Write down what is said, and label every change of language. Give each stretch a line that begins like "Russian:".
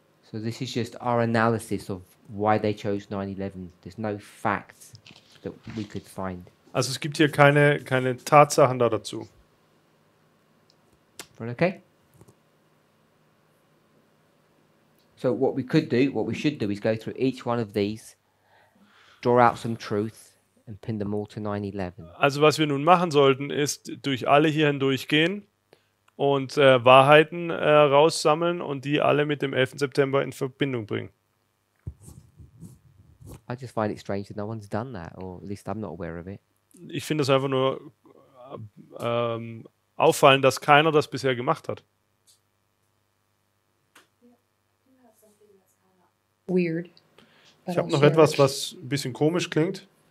English: So this is just our analysis of why they chose 9/11. There's no facts that we could find.
German: Also es gibt hier keine Tatsachen da dazu.
English: Okay. So what we could do, what we should do is go through each one of these, draw out some truth. And pin them all to 9/11.
German: Also was wir nun machen sollten, ist durch alle hier hindurchgehen und Wahrheiten raussammeln und die alle mit dem 11. September in Verbindung bringen.
English: I just find it strange that no one's done that, or at least I'm not aware of it.
German: Ich finde es einfach nur auffallend, dass keiner das bisher gemacht hat.
English: Weird.
German: Ich habe noch etwas, was ein bisschen komisch klingt.